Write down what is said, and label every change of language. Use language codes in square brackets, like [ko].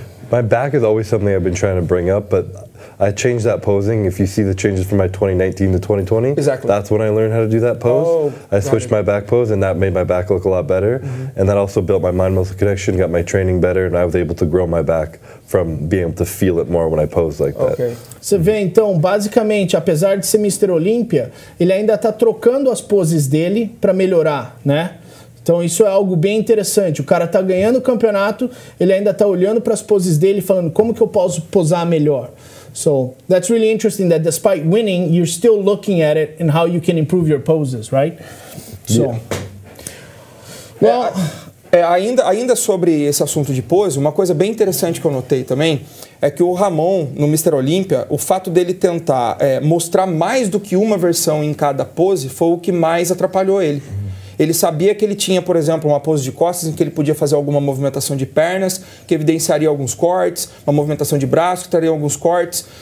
[en] My back is always something I've been trying to bring up, but I changed that posing. If you see the changes from my 2019 to 2020, exactly. That's when I learned how to do that pose. Oh, I switched my back pose and that made my back look a lot better. Mm-hmm. And that also built my mind-muscle connection, got my training better, and I was able to grow my back from being able to feel it more when I pose like that. Okay. [pt] Você vê, então, basicamente, apesar de ser Mr. Olympia, ele ainda está trocando as poses dele para melhorar, né? Então, isso é algo bem interessante. O cara está ganhando o campeonato, ele ainda está olhando para as poses dele e falando, como que eu posso posar melhor? [en] So, that's really interesting that despite winning, you're still looking at it and how you can improve your poses, right? So, well... [pt] Ainda sobre esse assunto de pose, uma coisa bem interessante que eu notei também é que o Ramon, no Mr. Olympia, o fato dele tentar mostrar mais do que uma versão em cada pose foi o que mais atrapalhou ele. Ele sabia que ele tinha, por exemplo, uma pose de costas em que ele podia fazer alguma movimentação de pernas que evidenciaria alguns cortes, uma movimentação de braço que traria alguns cortes.